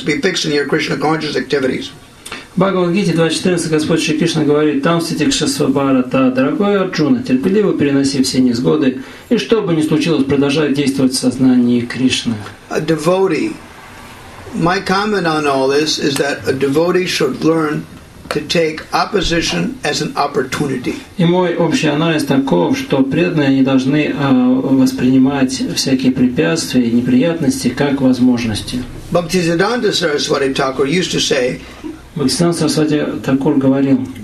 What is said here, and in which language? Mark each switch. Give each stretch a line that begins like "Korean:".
English: Be fixed in your Krishna conscious activities.
Russian: В Бхагавад-гите 2.14 Господь Шри Кришна говорит: «Там ситикшасвабарата, дорогой Арджуна, терпеливо переноси все невзгоды, и что бы ни случилось, продолжай действовать в сознании Кришны».
English: A devotee. My comment on all this is that a devotee should learn to take opposition as an opportunity.
Russian: И мой общий анализ таков, что преданные не должны воспринимать всякие препятствия и неприятности как возможности.
English: Бхактисиддханта Сарасвати Тхакур used to say,
Russian: Бхагавадгита Сарасвати Такур говорил: